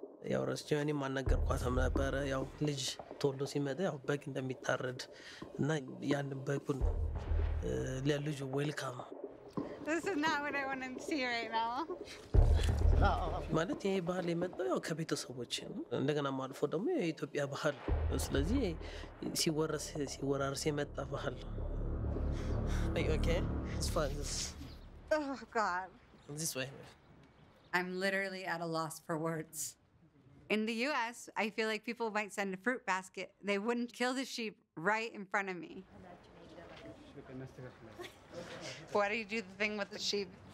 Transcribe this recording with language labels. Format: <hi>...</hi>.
<am>ያው ረስቼው እኔ ማነገርኳትም ነበር ያው ልጅ ቶሎ ሲመጣ ያው በግ እንደሚታረድ እና ያን በግን ለልጅ ዌልካም</am> <en>This is not what I want to see right now.</en> <am>ማለት ይሄ ባህል የመጣው ያው ከቤተሰቦች እንደገና ማልፎ ደግሞ የኢትዮጵያ ባህል ስለዚህ ሲወረስ ሲወራርስ የመጣ ባህል ነው። Okay.</am> <en>It's fun. Oh god. This way. I'm literally at a loss for words. In the US, I feel like people might send a fruit basket. They wouldn't kill the sheep right in front of me. Why do you do the thing with the sheep?</en>